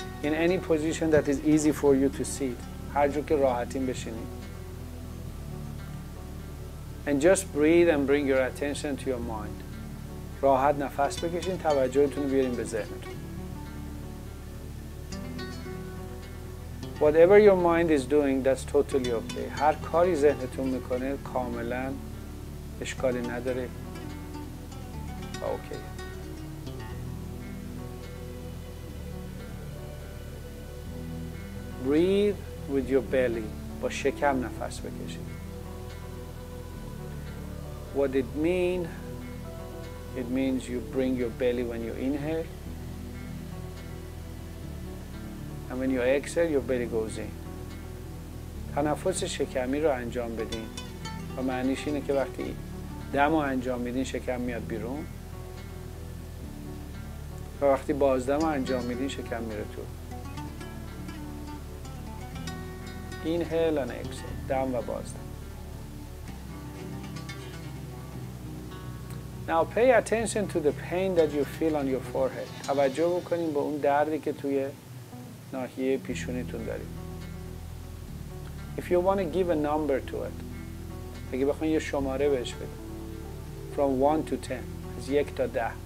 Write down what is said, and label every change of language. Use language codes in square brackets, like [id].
[en] In any position that is easy for you to sit. [fa] هر جور که راحتین بشینید. [en] And just breathe and bring your attention to your mind. [fa] راحت نفس بکشین، توجهتون بیارین به ذهنتون. [en] Whatever your mind is doing, that's totally okay. [fa] هر کاری ذهنتون میکنه کاملا اشکالی نداره. [en] Okay. Breathe with your belly. [fa] با شکم نفس بکشید. [en] What it mean? It means you bring your belly when you inhale. And when you exhale, your belly goes in. [fa] تنفس شکمی رو انجام بدین. و معنیش اینه که وقتی دم رو انجام میدین شکم میاد بیرون. و وقتی بازدم رو انجام میدین شکم میره تو. [en] Inhale and exhale. [fa] Down va bazdam. [en] Now pay attention to the pain that you feel on your forehead. [fa] توجه بکنین به اون دردی که توی ناحیه پیشونیتون دارید. [en] If you want to give a number to it. [fa] اگه بخواین یه شماره بهش بدید. [en] From 1 to 10. [fa] از 1 تا 10.